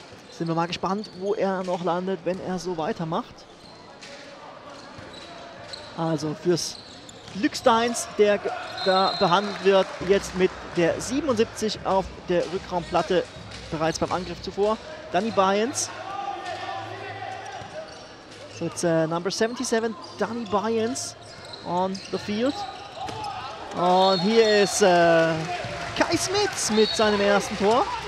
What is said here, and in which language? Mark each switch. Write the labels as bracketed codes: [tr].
[de] Sind wir mal gespannt, wo er noch landet, wenn er so weitermacht. Also fürs Glücksteins, der da behandelt wird, jetzt mit der 77 auf der Rückraumplatte bereits beim Angriff zuvor. Danny Byens. [en] So it's number 77, Danny Byens on the field. [de] Und hier ist Kai Smith mit seinem ersten Tor.